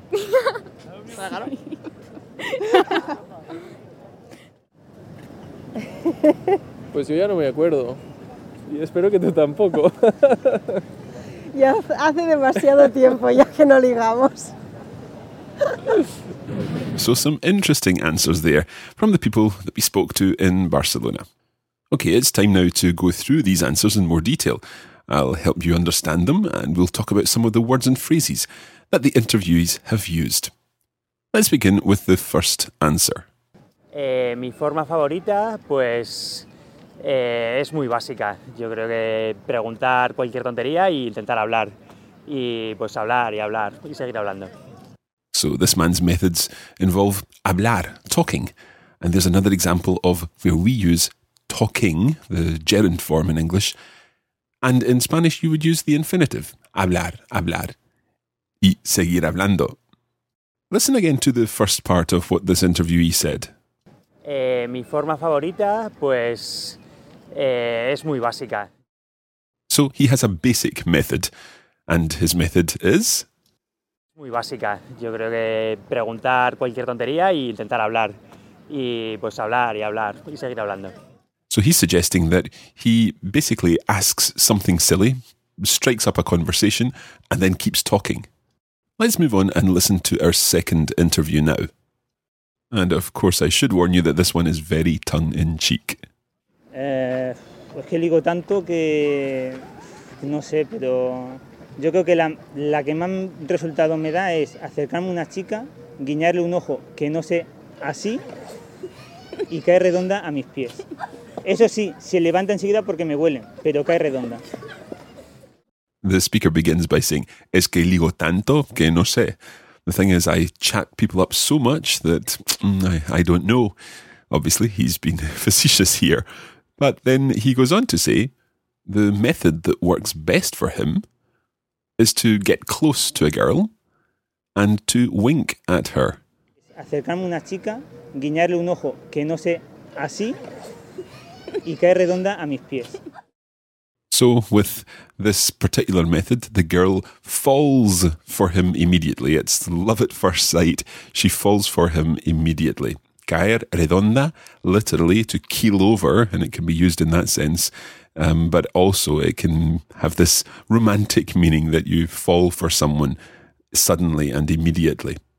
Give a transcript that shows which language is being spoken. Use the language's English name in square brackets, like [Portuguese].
[Spanish] ¿Se agarró? Pues yo ya no me acuerdo. Y espero que tú tampoco. Ya hace demasiado tiempo ya que no ligamos. [English] So some interesting answers there from the people that we spoke to in Barcelona. Okay, it's time now to go through these answers in more detail. I'll help you understand them and we'll talk about some of the words and phrases that the interviewees have used. Let's begin with the first answer. [Spanish] Mi forma favorita, pues, es muy básica. Yo creo que preguntar cualquier tontería y intentar hablar. Y pues hablar y hablar y seguir hablando. [English] So this man's methods involve hablar, talking. And there's another example of where we use talking, the gerund form in English. And in Spanish, you would use the infinitive, [Spanish] hablar, hablar, y seguir hablando. [English] Listen again to the first part of what this interviewee said. [Spanish] Mi forma favorita, pues, es muy básica. [English] So he has a basic method, and his method is... [Spanish] Muy básica. Yo creo que preguntar cualquier tontería y intentar hablar. Y pues hablar y hablar y seguir hablando. [English] So he's suggesting that he basically asks something silly, strikes up a conversation, and then keeps talking. Let's move on and listen to our second interview now. And of course I should warn you that this one is very tongue-in-cheek. [Spanish] Es que digo tanto que... No sé, pero... Yo creo que la que más resultado me da es acercarme a una chica, guiñarle un ojo que no sé así y cae redonda a mis pies. Eso sí, se levanta enseguida porque me huele, pero cae redonda. [English] The speaker begins by saying, [Spanish] es que ligo tanto que no sé. [English] The thing is, I chat people up so much that I don't know. Obviously, he's been facetious here. But then he goes on to say, the method that works best for him is to get close to a girl and to wink at her. [Spanish] Acercarme a una chica, guiñarle un ojo que no sé así y cae redonda a mis pies. [English] So with this particular method, the girl falls for him immediately. It's love at first sight. She falls for him immediately. [Spanish] Caer redonda, [English] literally to keel over, and it can be used in that sense. But also it can have this romantic meaning that you fall for someone suddenly and immediately.